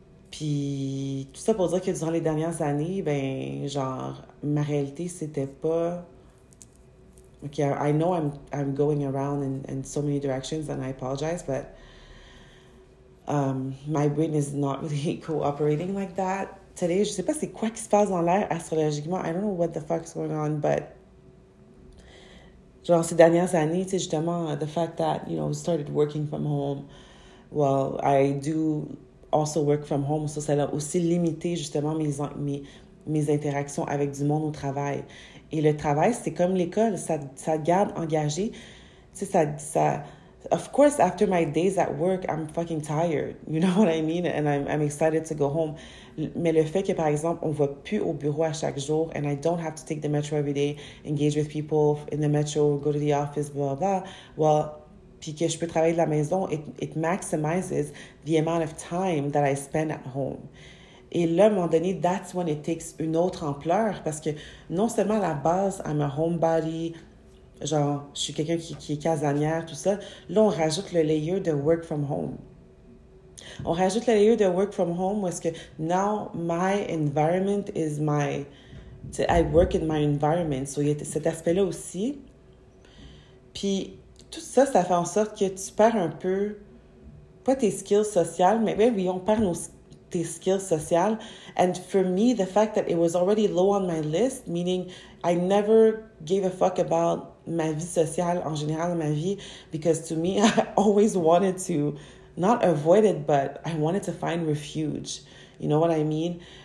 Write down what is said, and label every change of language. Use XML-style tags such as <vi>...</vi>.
<fr>Puis, tout ça pour dire que durant les dernières années, ben, genre, ma réalité, c'était pas...</fr> <en>Okay, I know I'm going around in so many directions and I apologize, but my brain is not really cooperating like that.</en> <fr>Today, je sais pas c'est quoi qui se passe dans l'air astrologiquement.</fr> <en>I don't know what the fuck is going on, but...</en> <fr>Genre, ces dernières années, tu sais, justement,</fr> <en>the fact that, you know, started working from home,</en> <fr>well, I do also work from home, so ça a aussi limité, justement, mes interactions avec du monde au travail. Et le travail, c'est comme l'école, ça garde engagé. Tu sais, ça...</fr> <en>Of course, after my days at work, I'm fucking tired, you know what I mean? And I'm excited to go home.</en> <fr>Mais le fait que, par exemple, on va plus au bureau à chaque jour,</fr> <en>and I don't have to take the metro every day, engage with people in the metro, go to the office, blah, blah, blah. Well,</en> <fr>puis que je peux travailler de la maison,</fr> <en>it maximizes the amount of time that I spend at home.</en> <fr>Et là, à un moment donné,</fr> <en>that's when it takes</en> <fr>une autre ampleur, parce que non seulement à la base,</fr> <en>I'm a homebody,</en> <fr>genre, je suis quelqu'un qui est casanière, tout ça, là, on rajoute le layer de work from home. On rajoute le layer de work from home, parce que</fr> <en>now my environment is my... I work in my environment. So,</en> <fr>il y a cet aspect-là aussi. Puis, tout ça, ça fait en sorte que tu perds un peu, pas tes skills sociales, mais oui, on perd tes skills sociales.</fr> <en>And for me, the fact that it was already low on my list, meaning I never gave a fuck about</en> <fr>ma vie sociale en général, ma vie,</fr> <en>because to me, I always wanted to, not avoid it, but I wanted to find refuge. You know what I mean?</en>